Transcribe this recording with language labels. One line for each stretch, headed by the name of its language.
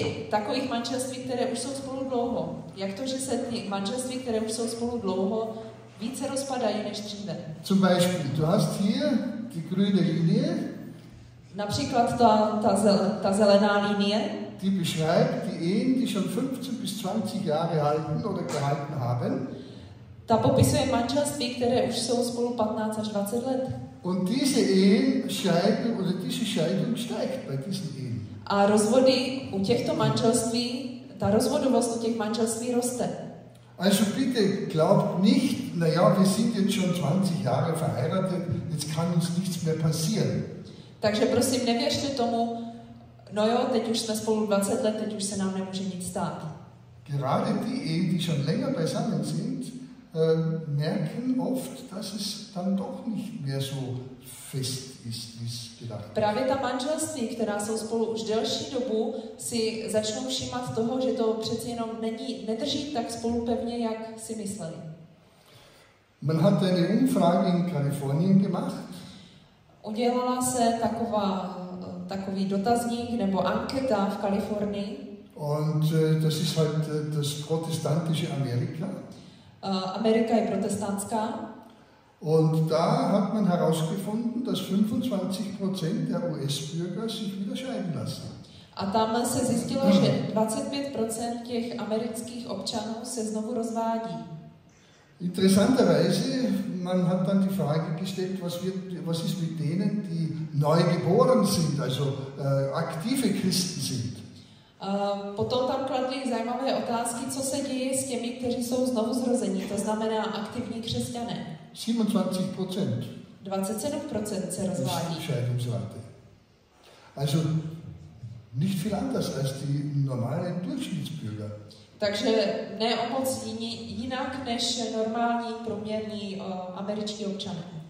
Czech: Takových manželství, které už jsou spolu dlouho. Jak to, že se ty manželství, které už jsou spolu dlouho, více rozpadají než dříve?
German: Zum Beispiel, du hast hier die grüne Linie.
Czech: Například ta zelená linie.
German: Die beschreibt die Ehen, die schon 15 bis 20 Jahre halten oder gehalten haben.
Czech: Ta popisuje manželství, které už jsou spolu 15 až 20 let.
German: Und diese Ehen scheiden oder diese Scheidung steigt bei diesen Ehen.
Czech: A rozvody u těchto manželství, ta rozvodovost u těch manželství roste.
German: Also bitte glaubt nicht, naja, wir sind jetzt schon 20 Jahre verheiratet, jetzt kann uns nichts mehr passieren.
Czech: Takže prosím, nevěřte tomu, no jo, teď už jsme spolu 20 let, teď už se nám nemůže nic stát.
German: Gerade die Ehen, die schon länger beisammen sind, merken oft, dass es dann doch nicht mehr so fest.
Czech: Právě ta manželství, která jsou spolu už delší dobu, si začnou všímat toho, že to přeci jenom nedrží tak spolu pevně, jak si mysleli.
German: Man hat eine Umfrage in Kalifornien gemacht.
Czech: Udělala se takový dotazník nebo anketa v Kalifornii.
German: Und das ist halt das protestantische Amerika.
Czech: Amerika je protestantská.
German: Und da hat man herausgefunden, dass 25% der US-Bürger sich wieder scheiden lassen.
Czech: A tam se zjistilo, že 25% těch amerických občanů se znovu rozvádí.
German: Interessanterweise, man hat dann die Frage gestellt, was ist mit denen, die neu geboren sind, also aktive Christen sind.
Czech: Potom tam kladli zajímavé otázky, co se děje s těmi, kteří jsou znovu zrození, to znamená aktivní křesťané.
German: 27%.
Czech: 27% se rozvádí.
German: Scheidungsrate. Also nicht viel anders als die normale Durchschnittsbürger.
Czech: Takže ne o moc jinak než normální průměrní američtí občané.